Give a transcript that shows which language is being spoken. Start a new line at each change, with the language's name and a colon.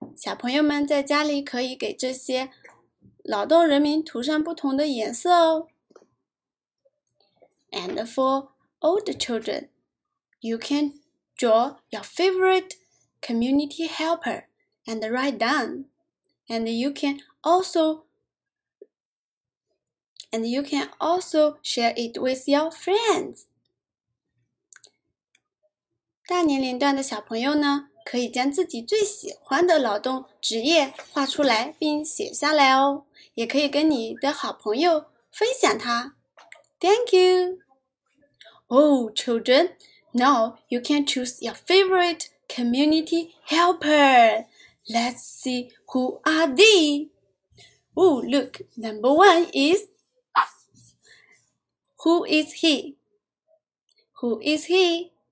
Chinese: 小朋友们在家里可以给这些劳动人民涂上不同的颜色哦。
English: And for older children, you can draw your favorite community helper and write down. And you can also share it with your friends.
Chinese: 大年龄段的小朋友呢，可以将自己最喜欢的劳动职业画出来并写下来哦，也可以跟你的好朋友分享它。
English: Thank you. Oh, children, now you can choose your favorite community helper. Let's see who are they. Oh, look, number one is... Who is he? Who is he?